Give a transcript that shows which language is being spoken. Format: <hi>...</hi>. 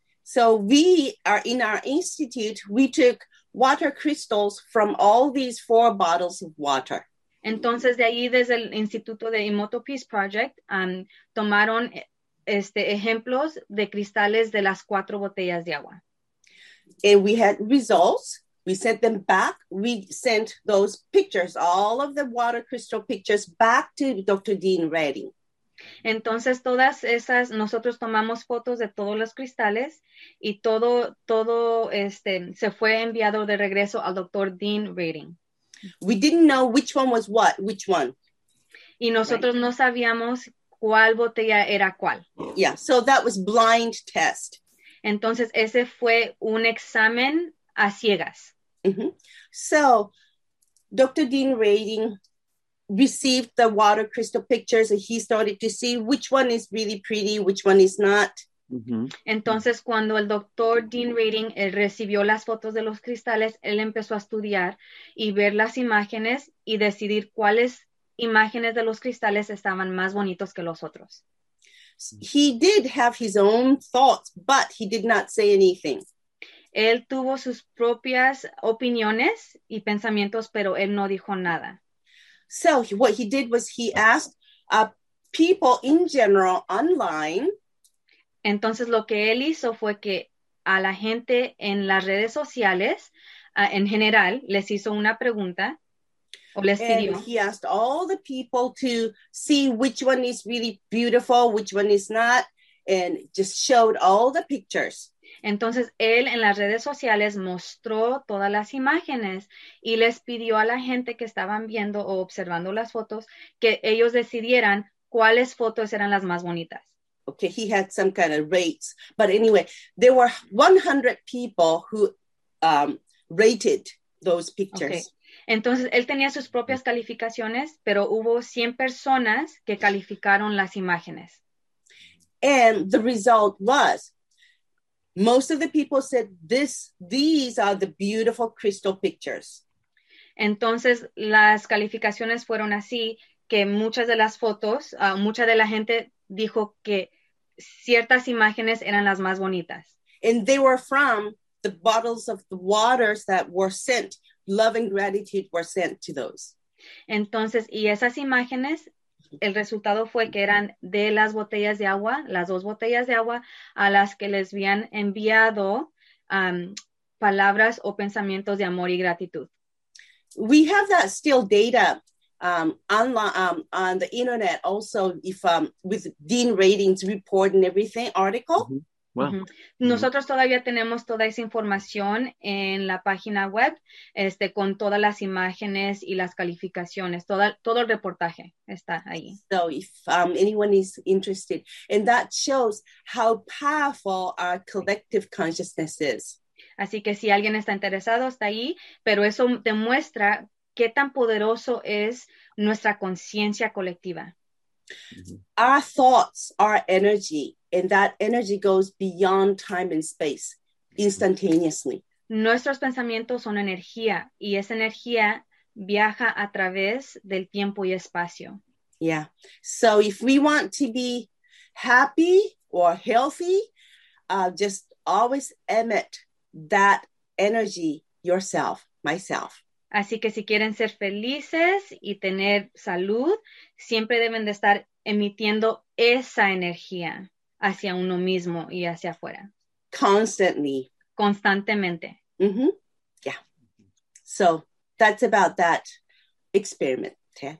<en>So we are in our institute, we took water crystals from all these 4 bottles of water.</en> <es>Entonces, de ahí, desde el Instituto de Emoto Peace Project, tomaron ejemplos de cristales de las 4 botellas de agua.</es> <en>And we had results. We sent them back. We sent those pictures, all of the water crystal pictures, back to Dr. Dean Radin.</en> <es>Entonces, todas esas, nosotros tomamos fotos de todos los cristales y todo se fue enviado de regreso al Dr. Dean Radin.</es> <en>We didn't know which one was what, which one.</en> <es>Y nosotros</es> <en>right.</en> <es>No sabíamos cuál botella era cuál.</es> <en>Yeah, so that was blind test.</en> <es>Entonces, ese fue un examen a ciegas.</es> <en>Mm-hmm. So, Dr. Dean Radin received the water crystal pictures and he started to see which one is really pretty, which one is not. Mm-hmm.</en> <es>Entonces, cuando el Dr. Dean Radin recibió las fotos de los cristales, él empezó a estudiar y ver las imágenes y decidir cuáles imágenes de los cristales estaban más bonitos que los otros.</es> <en>He did have his own thoughts, but he did not say anything.</en> <es>Él tuvo sus propias opiniones y pensamientos, pero él no dijo nada.</es> <en>So what he did was he asked people in general online.</en> <es>Entonces, lo que él hizo fue que a la gente en las redes sociales, en general, les hizo una pregunta o les pidió.</es> <en>And he asked all the people to see which one is really beautiful, which one is not, and just showed all the pictures.</en> <es>Entonces, él en las redes sociales mostró todas las imágenes y les pidió a la gente que estaban viendo o observando las fotos que ellos decidieran cuáles fotos eran las más bonitas.</es> <en>Okay, he had some kind of rates. But anyway, there were 100 people who rated those pictures. Okay.</en> <es>Entonces, él tenía sus propias calificaciones, pero hubo 100 personas que calificaron las imágenes.</es> <en>And the result was, most of the people said, these are the beautiful crystal pictures.</en> <es>Entonces, las calificaciones fueron así, que muchas de las fotos, mucha de la gente dijo que ciertas imágenes eran las más bonitas.</es> <en>And they were from the bottles of the waters that were sent. Love and gratitude were sent to those.</en> <es>Entonces, y esas imágenes, el resultado fue que eran de las botellas de agua, las 2 botellas de agua, a las que les habían enviado palabras o pensamientos de amor y gratitud.</es> <en>We have that still data on the internet also, if with Dean Radin's report and everything article. Mm-hmm. Mm-hmm.</en> <es>Nosotros todavía tenemos toda esa información en la página web, con todas las imágenes y las calificaciones, todo el reportaje está ahí.</es> <en>So if anyone is interested, and that shows how powerful our collective consciousness is.</en> <es>Así que si alguien está interesado, está ahí, pero eso demuestra qué tan poderoso es nuestra conciencia colectiva.</es> <en>Our thoughts are energy, and that energy goes beyond time and space instantaneously.</en> <es>Nuestros pensamientos son energía, y esa energía viaja a través del tiempo y espacio.</es> <en>Yeah. So if we want to be happy or healthy, just always emit that energy yourself, myself.</en> <es>Así que si quieren ser felices y tener salud, siempre deben de estar emitiendo esa energía hacia uno mismo y hacia afuera.</es> <en>Constantly.</en> <es>Constantemente.</es> <en>Mm-hmm. Yeah. So that's about that experiment, Ted.</en>